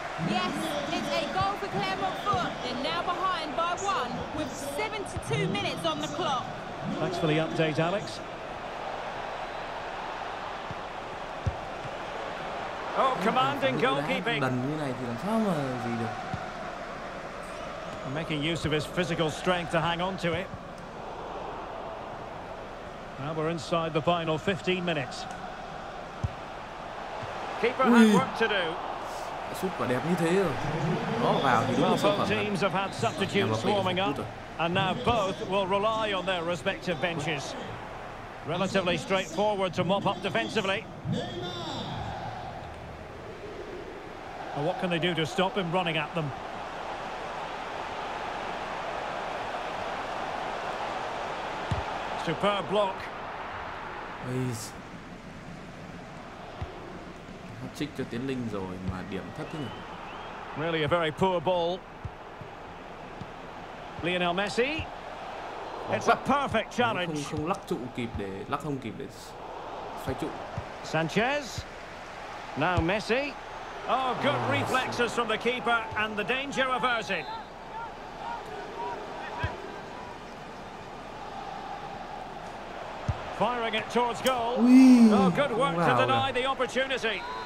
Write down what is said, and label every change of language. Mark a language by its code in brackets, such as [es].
[en] Yes, it's a goal for Clermont Foot. They're now behind by one with 72 minutes on the clock. Thanks for the update, Alex. Oh, commanding goalkeeping. [vi] Đần như này thì làm sao mà gì được. [en] Making use of his physical strength to hang on to it. Now we're inside the final 15 minutes. Keeper had work to do. [vi] Sút quả đẹp như thế rồi. Nó vào thì đúng là sản phẩm. [en] Teams have had substitutes warming up, and now both will rely on their respective benches. Relatively straightforward to mop up defensively. And what can they do to stop him running at them? Superb block. Please. [vi] Trích cho Tiến Linh rồi mà điểm thấp thế nhỉ. [en] Really a very poor ball. Lionel Messi. It's a perfect challenge. [vi] Không lắc trụ kịp để lắc không kịp để xoay trụ. [en] Sanchez. Now Messi. Oh, good reflexes from the keeper and the danger averted. Firing it towards goal. Oh, good work to deny the opportunity.